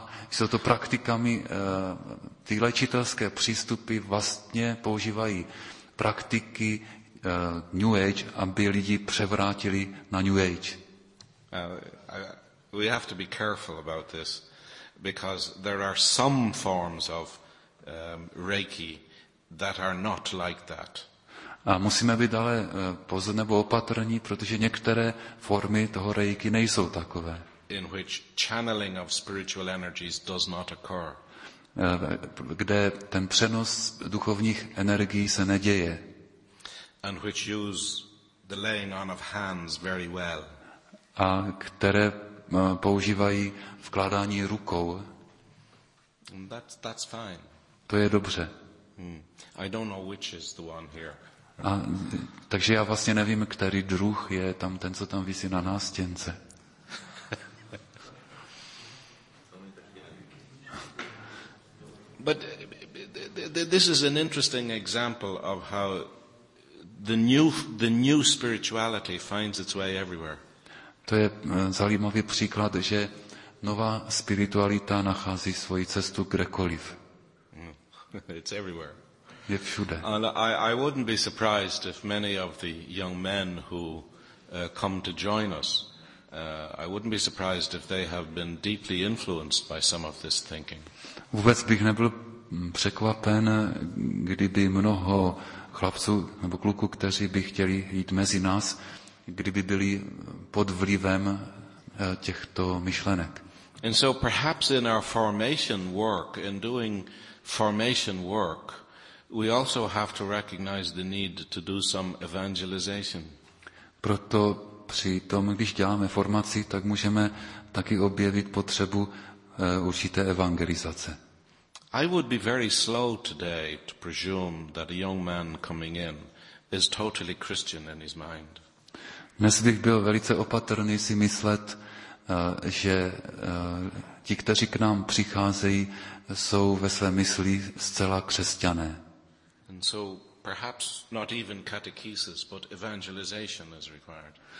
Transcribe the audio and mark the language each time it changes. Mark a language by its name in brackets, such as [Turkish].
[Czech] Jsou to praktikami, ty léčitelské přístupy vlastně používají praktiky New Age, aby lidi převrátili na New Age. [English] We have to be careful about this, because there are some forms of Reiki that are not like that. [Czech] A musíme být ale pozor nebo opatrní, protože některé formy toho Reiki nejsou takové. [English] In which channeling of spiritual energies does not occur. [Czech] Kde ten přenos duchovních energií se neděje. [English] And which use the laying on of hands very well. [Czech] A které používají vkládání rukou. [English] That's fine. [Czech] To je dobře. [English] I don't know which is the one here. [Czech] Takže já vlastně nevím, který druh je tam ten, co tam visí na nástěnce. [English] But this is an interesting example of how the new spirituality finds its way everywhere. [Czech] To je zajímavý příklad, že nová spiritualita nachází svoji cestu kdekoliv. [English] It's everywhere. [Czech] Je všude. [English] And I wouldn't be surprised if many of the young men who come to join us, I wouldn't be surprised if they have been deeply influenced by some of this thinking. [Czech] Vůbec bych nebyl překvapen, kdyby mnoho chlapců nebo kluků, kteří by chtěli jít mezi nás, kdyby byli pod vlivem těchto myšlenek. [English] And so perhaps in our formation work, in doing formation work, we also have to recognize the need to do some evangelization. [Czech] Proto při tom, když děláme formaci, tak můžeme taky objevit potřebu určité evangelizace. [English] I would be very slow today to presume that a young man coming in is totally Christian in his mind. [Czech] Dnes bych byl velice opatrný si myslet, že ti, kteří k nám přicházejí, jsou ve své mysli zcela křesťané. [English] And so perhaps not even catechesis, but evangelization is required.